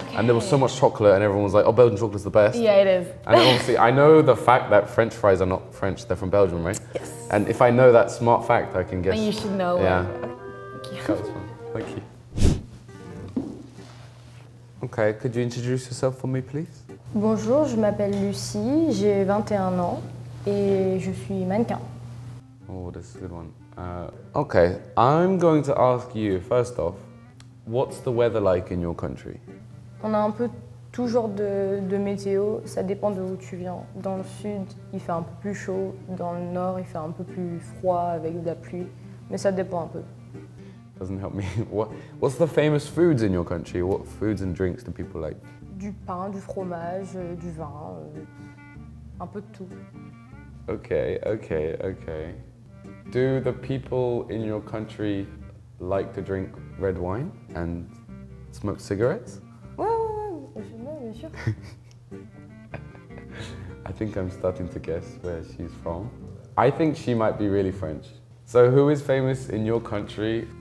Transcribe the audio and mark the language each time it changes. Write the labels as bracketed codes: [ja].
[en] And there was so much chocolate and everyone was like, oh, Belgian chocolate's the best. Yeah, it is. And obviously, I know the fact that French fries are not French, they're from Belgium, right? Yes. And if I know that smart fact, I can guess. And you should know. Yeah. Thank you. That was fun. Thank you. Okay, could you introduce yourself for me, please? [fr] Bonjour, je m'appelle Lucie, j'ai 21 ans et je suis mannequin. [en] Oh, that's a good one. Okay, I'm going to ask you, first off, what's the weather like in your country? [fr] On a un peu tout genre de météo, ça dépend de où tu viens. Dans le sud, il fait un peu plus chaud, dans le nord, il fait un peu plus froid avec de la pluie, mais ça dépend un peu. [en] Doesn't help me. What's the famous foods in your country? What foods and drinks do people like? [fr] Du pain, du fromage, du vin, un peu de tout. [en] Okay. Do the people in your country like to drink red wine and smoke cigarettes? [fr] Ouais, bien sûr. [en] I think I'm starting to guess where she's from. I think she might be really French. So who is famous in your country?